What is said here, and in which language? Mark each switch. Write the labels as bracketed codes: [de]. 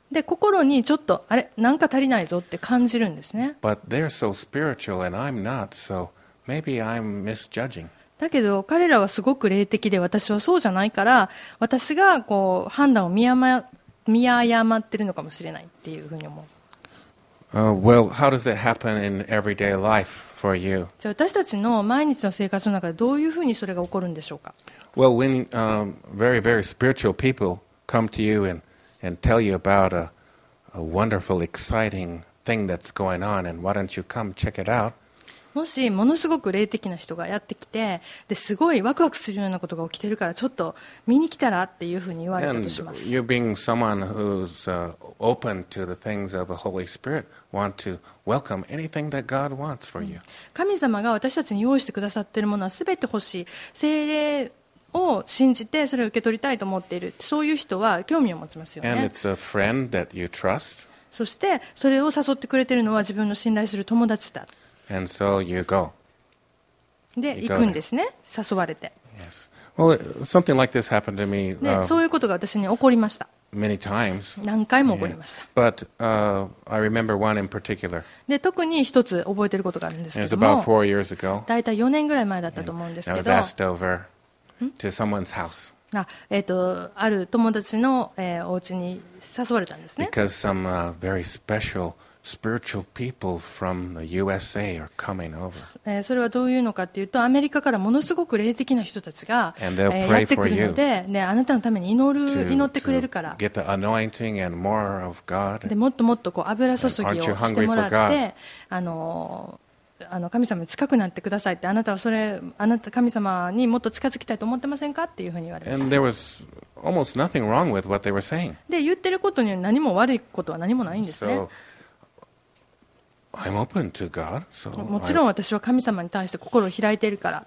[ja] で、心にちょっとあれ、なんか足りないぞって感じるんですね。 [en] But they're so spiritual and I'm not, so maybe I'm misjudging. [ja] だけど彼らはすごく霊的で私はそうじゃないから、私がこう判断を見誤ってるのかもしれないっていうふうに思う。 [en] Well, how does it happen in everyday life for you? [ja] じゃあ私たちの毎日の生活の中でどういうふうにそれが起こるんでしょうか。 [en] Well, when very very spiritual people come to you and tell you about a wonderful exciting thing that's going on and why don't you come check it out? [ja] もしものすごく霊的な人がやってきて、ですごいワクワクするようなことが起きてるからちょっと見に来たらっていうふうに言われたとします。 [en] And you being someone who's open to the things of the Holy Spirit want to welcome anything that God wants for you. [ja] 神様が私たちに用意してくださっているものはすべて欲しい。聖霊を信じてそれを受け取りたいと思っている。そういう人は興味を持ちますよね。 [en] And it's a friend that you trust. [ja] そしてそれを誘ってくれているのは自分の信頼する友達だ。 [en] And so you go. [ja] で、行くんですね。誘われて。 [en] Yes. Well, something like this happened to me. [ja] で、そういうことが私に起こりました。 [en] Many times. [ja] 何回も起こりました。 [en] Yeah. But I remember one in particular. [ja] で、特に一つ覚えてることがあるんですけども。 [en] It was about 4 years ago. [ja] だいたい4年ぐらい前だったと思うんですけど。 [en] And I was asked over to someone's house. [ja] ある友達の、お家に誘われたんですね。 [en] Because some very special. Spiritual people from the USA are coming over. [ja] それはどういうのかっていうと、アメリカからものすごく霊的な人たちがやってくるので、ね、あなたのために祈ってくれるから。 [en] Get the anointing and more of God. [ja] で、もっともっとこう油注ぎをしてもらって、 [en] aren't you hungry for God? [ja] あの神様に近くなってくださいって、あなた神様にもっと近づきたいと思ってませんかっていうふうに言われました。 [en] And there was almost nothing wrong with what they were saying. [ja] で、言ってることに何も悪いことは何もないんですね。 [en] I'm open to God, so [ja] もちろん私は神様に対して心を開いているから、